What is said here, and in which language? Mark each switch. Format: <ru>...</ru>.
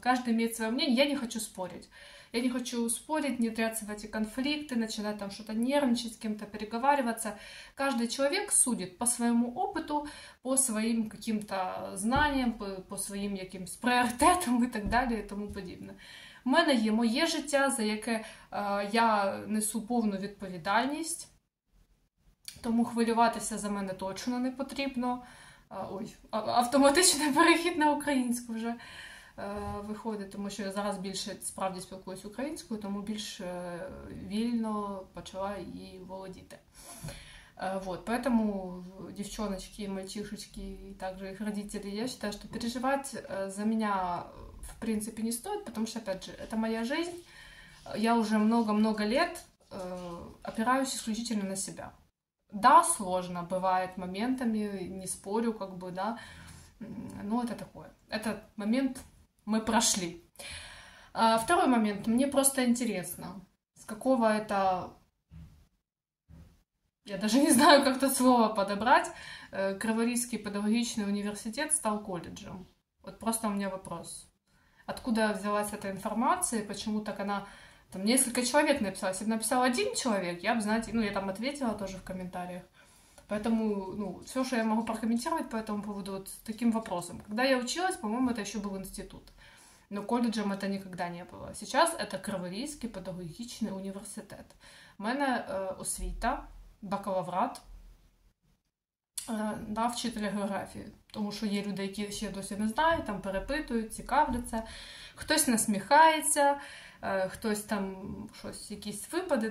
<ru>Каждый имеет свое мнение, я не хочу спорить. Я не хочу спорить, внедряться в эти конфликты, начинать там что-то нервничать, с кем-то переговариваться. Каждый человек судит по своему опыту, по своим каким-то знаниям, по своим якимсь приоритетам и</ru> <uk>так далі, і тому подібне. У мене є моє життя, за яке я несу повну відповідальність, тому хвилюватися за мене точно не потрібно. Ой, автоматичний перехід на українську вже. Виходить, тому що я зараз більше справді спілкуюсь українською, тому більш вільно почала її володіти.</uk> <ru>Вот, поэтому</ru> <uk>дівчоночки, мальчишечки, і також їх родителі, я вважаю, що переживати за мене в принципі не стоїть, тому що, опять же, це моя життя, я вже</uk> <ru>много-много лет опираюсь исключительно на себя. Да, сложно, бывает моментами, не спорю, как бы, да, но это такое. Этот момент мы прошли. Второй момент. Мне просто интересно, с какого это... Я даже не знаю, как это слово подобрать.</ru> <uk>Криворізький педагогічний університет стал коледжем.</uk> <ru>Вот просто у меня вопрос. Откуда взялась эта информация? Почему так она... Там несколько человек написалось. Если бы написал один человек, я бы, знаете... Ну, я там ответила тоже в комментариях. Поэтому, ну, все, что я могу прокомментировать по этому поводу, вот таким вопросом. Когда я училась, по-моему, это еще был институт. Но колледжем это никогда не было. Сейчас это Криворізький педагогічний університет. У меня</ru> <uk>освіта,</uk> <ru>бакалаврат, да,</ru> <uk>вчителя географії. Тому що є люди, які ще досі не знають, там перепитують, цікавляться. Хтось насміхається, хтось там щось, якісь випади.</uk>